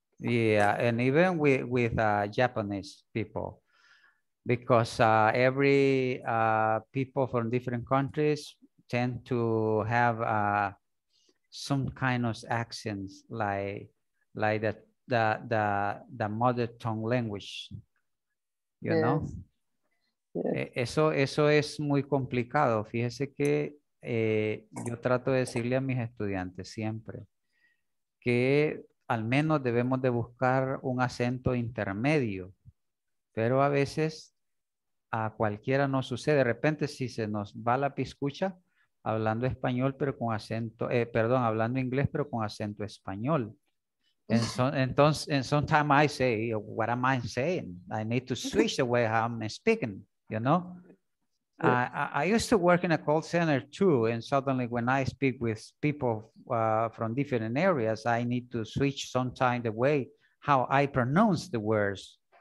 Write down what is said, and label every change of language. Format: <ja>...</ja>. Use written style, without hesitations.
<en>Yeah, and even with Japanese people, because every people from different countries tend to have some kind of accents like the mother tongue language, you know? Yes.</en> <es>Eso es muy complicado. Fíjese que yo trato de decirle a mis estudiantes siempre que al menos debemos de buscar un acento intermedio, pero a veces a cualquiera no sucede. De repente si se nos va la piscucha hablando español pero con acento, perdón, hablando inglés pero con acento español.</es> <en>Sometimes I say, what am I saying? I need to switch the way I'm speaking, you know? I used to work in a call center too, and suddenly when I speak with people from different areas, I need to switch sometimes the way how I pronounce the words.</en>